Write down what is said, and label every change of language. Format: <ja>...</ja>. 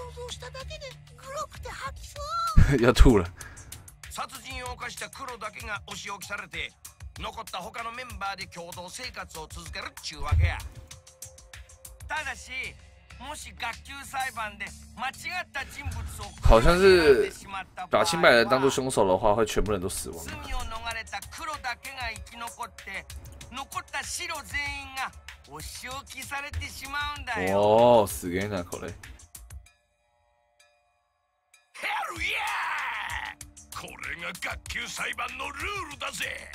<ja>しただけで黒くて吐きそう。やっとる。殺人を犯した黒だけがお仕置きされて、残った他のメンバーで共同生活を続けるっちゅうわけや。ただし、もし学級裁判で間違った人物を、</ja> <zh>好像是把清白人当作凶手的话，会全部人都死亡。</zh> <ja>罪を逃れた黒だけが生き残って、残った白全員がお仕置きされてしまうんだよ。おお、すげえなこれ。</ja> <en>Hell yeah！</en> <ja>これが学級裁判のルールだぜ。</ja>